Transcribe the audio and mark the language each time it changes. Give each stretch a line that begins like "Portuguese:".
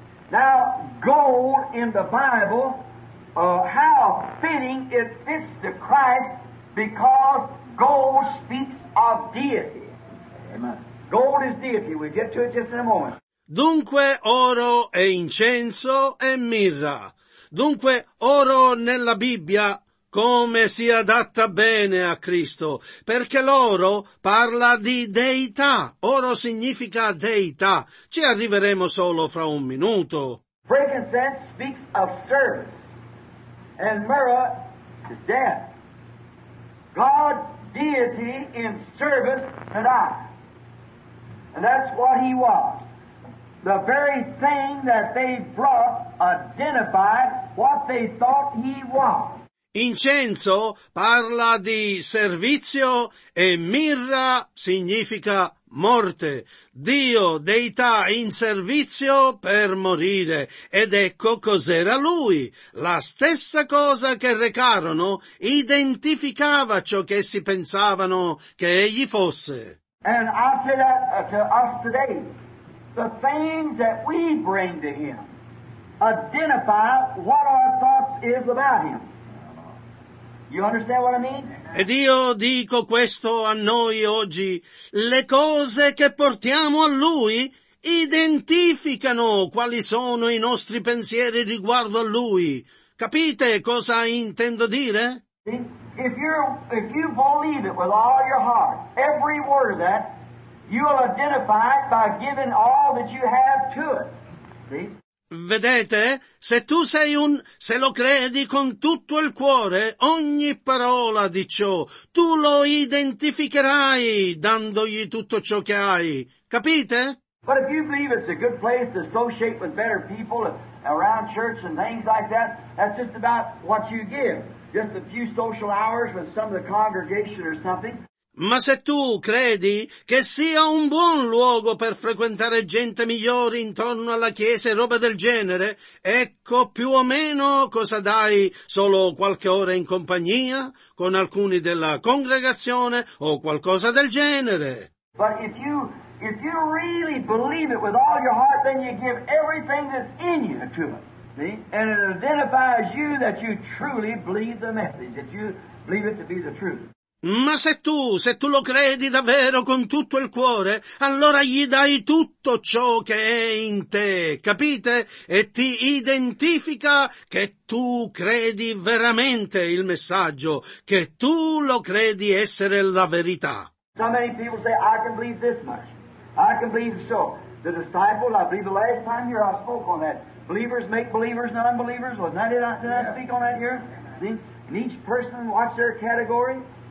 English: Now, gold in the Bible, how fitting it fits to Christ because gold speaks of deity. Gold is deity. We'll get to it just in a moment.
Italian: Dunque oro e incenso e mirra. Dunque oro nella Bibbia come si adatta bene a Cristo, perché l'oro parla di deità. Oro significa deità. Ci arriveremo solo fra un minuto.
English: Frankincense speaks of service, and myrrh is death. God. Deity in service tonight. And that's what he was. The very thing that they brought identified what they thought he was.
Italian: Incenso parla di servizio e mirra significa morte. Dio deità in servizio per morire. Ed ecco cos'era lui. La stessa cosa che recarono identificava ciò che essi pensavano che egli fosse.
English: And I say that to us today. The things that we bring to him identify what our thoughts is about him. You understand what I mean?
Italian: Ed io dico questo a noi oggi. Le cose che portiamo a lui identificano quali sono i nostri pensieri riguardo a lui. Capite cosa intendo dire?
English: If you believe it with all your heart, every word of that, you will identify it by giving all that you have to it. See?
Italian: Vedete, se tu sei un, se lo credi con tutto il cuore, ogni parola di ciò, tu lo identificherai dandogli tutto ciò che hai. Capite?
English: But if you believe it's a good place to associate with better people around church and things like that, that's just about what you give. Just a few social hours with some of the congregation or something.
Italian: Ma se tu credi che sia un buon luogo per frequentare gente migliore intorno alla chiesa e roba del genere, ecco più o meno cosa dai, solo qualche ora in compagnia con alcuni della congregazione o qualcosa del genere.
English: But if you really believe it with all your heart, then you give everything that's in you to it. See? And it identifies you that you truly believe the message, that you believe it to be the truth.
Italian: Ma se tu lo credi davvero con tutto il cuore, allora gli dai tutto ciò che è in te, capite? E ti identifica che tu credi veramente il messaggio, che tu lo credi essere la verità.
English: So many people say, I can believe this much. I can believe so. The disciples, I believe the last time here I spoke on that. Believers make believers and unbelievers. Did I speak on that here? See? And each person watch their category.